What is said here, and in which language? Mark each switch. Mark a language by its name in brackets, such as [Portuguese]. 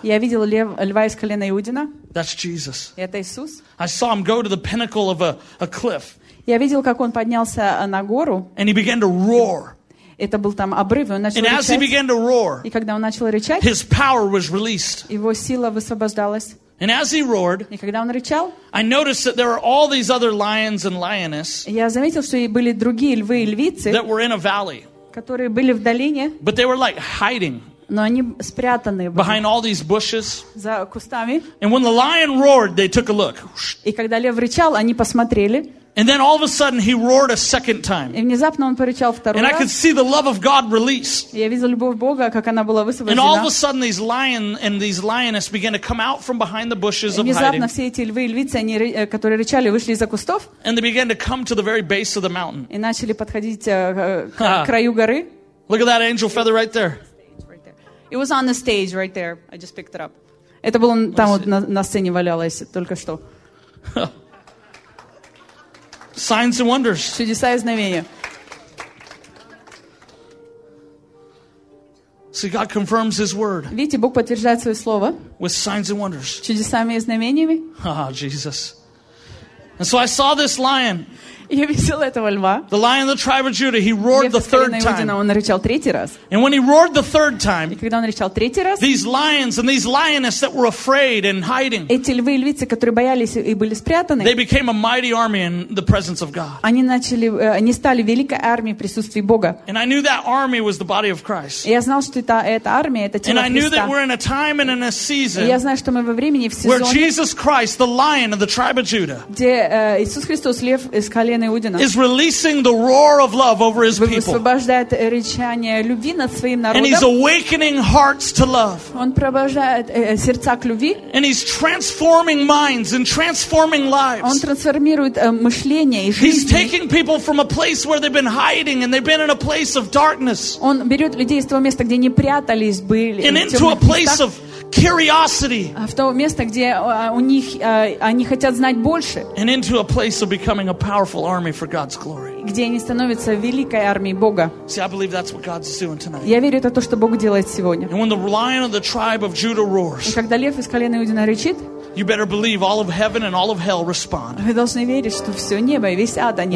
[Russian] Я видел льва из колена Иудина. [English] That's Jesus. [Russian] Это Иисус. [English] I saw him go to the pinnacle of a cliff. [Russian] Я видел, как он поднялся на гору. [English] And he began to roar. [Russian] Это был там обрыв, и он начал [English] and [Russian] рычать. [English] As he began to roar, [Russian] и когда он начал рычать, [English] his power was released. [Russian] Его сила высвобождалась. [English] And as he roared, [Russian] и когда он рычал, [English] I noticed that there were all these other lions and lioness, [Russian] я заметил, что были другие львы и львицы, [English] that were in a valley, [Russian] которые были в долине, [English] but they were like hiding, [Russian] но они спрятаны были [English] behind all these bushes, [Russian] за кустами. [English] And when the lion roared, they took a look. [Russian] И когда лев рычал, они посмотрели. [English] And then all of a sudden he roared a second time. [Russian] И внезапно он прорычал второй раз. [English] And I could see the love of God release. [Russian] Я видел любовь Бога, как она была высвобождена. [English] And all of a sudden these lion and these lioness began to come out from behind the bushes of hiding. [Russian] Внезапно все эти львы и львицы, которые рычали, вышли из-за кустов. [English] And they began to come to the very base of the mountain. [Russian] И начали подходить к краю горы. [English] Look at that angel feather right there. It was on the stage right there. I just picked it up. [Russian] Это было там вот на сцене валялось только что. [English] Signs and wonders. [Russian] Чудеса и знамения. [English] See, God confirms His word. [Russian] Видите, Бог подтверждает свое слово. [English] With signs and wonders. [Russian] Чудесами и знамениями. [English] Ah, Jesus. And so I saw this lion. [Russian] Я видел этого льва. [English] The lion of the tribe of Judah. He roared the third time. [Russian] Он рычал третий раз. [English] And when he roared the third time, [Russian] и когда он рычал третий раз, [English] these lions and these lioness that were afraid and hiding, [Russian] эти львы и львицы, которые боялись и были спрятаны, [English] they became a mighty army in the presence of God. [Russian] Они стали великой армией в присутствии Бога. [English] And I knew that army was the body of Christ. [Russian] Я знал, что это армия, это тело Христа. [English] And I knew that we're in a time and in a season. [Russian] Я знаю, что мы во времени в сезоне. [English] Where Jesus Christ, the lion of the tribe of Judah, [Russian] где Иисус Христос, лев из колена [English] is releasing the roar of love over his people. [Russian] Высвобождает рычание любви над своим народом. [English] And he's awakening hearts to love. [Russian] Он пробуждает сердца к любви. [English] And he's transforming minds and transforming lives. [Russian] Он трансформирует мышление и жизни. [English] He's taking people from a place where they've been hiding and they've been in a place of darkness. [Russian] Он берет людей из того места, где они прятались были. [English] And into a place of curiosity. [Russian] В то место, где у них они хотят знать больше. [English] And into a place of becoming a powerful army for God's glory. [Russian] Где они становятся великой армией Бога. [English] See, I believe that's what God's doing tonight. [Russian] Я верю, это то, что Бог делает сегодня. [English] And when the lion of the tribe of Judah roars. [Russian] И когда лев из колена Иудина рычит. [English] You better believe all of heaven and all of hell respond. [Russian] Вы должны верить, что все небо и весь ад они.